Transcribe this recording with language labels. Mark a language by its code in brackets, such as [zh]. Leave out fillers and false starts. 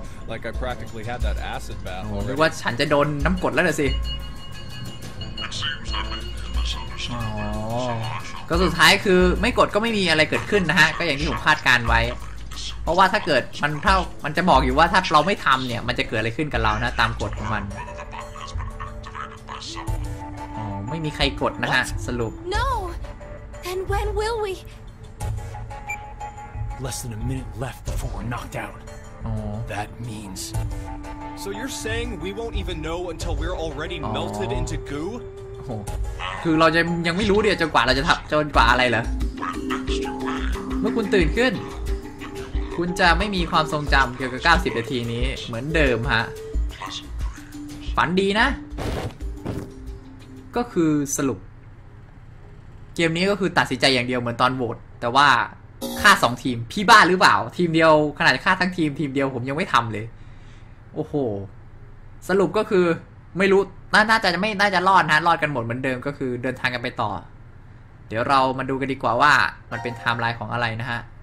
[en] Like I practically had that acid bath. [th] หรือว่าฉันจะโดนน้ำกดแล้วเหรอสิก็สุดท้ายคือไม่กดก็ไม่มีอะไรเกิดขึ้นนะฮะก็อย่างที่ผมคาดการไว้เพราะว่าถ้าเกิดมันเท่ามันจะบอกอยู่ว่าถ้าเราไม่ทำเนี่ยมันจะเกิดอะไรขึ้นกับเรานะตามกฎของมันไม่มีใครกดนะฮะสรุป No. [en] Then when will we? Less than a minute left before we're knocked out. That means. So you're saying we won't even know until we're already melted into goo? Oh. [th] คือเราจะยังไม่รู้เดี๋ยวจนกว่าเราจะทับจนกว่าอะไรเหรอเมื่อคุณตื่นขึ้นคุณจะไม่มีความทรงจำเกี่ยวกับ90นาทีนี้เหมือนเดิมฮะฝันดีนะ ก็คือสรุปเกมนี้ก็คือตัดสินใจอย่างเดียวเหมือนตอนโหวตแต่ว่าฆ่า2ทีมพี่บ้าหรือเปล่าทีมเดียวขนาดฆ่าทั้งทีมเดียวผมยังไม่ทำเลยโอ้โหสรุปก็คือไม่รู้น่าจะรอดนะรอดกันหมดเหมือนเดิมก็คือเดินทางกันไปต่อเดี๋ยวเรามาดูกันดีกว่าว่ามันเป็นไทม์ไลน์ของอะไรนะฮะ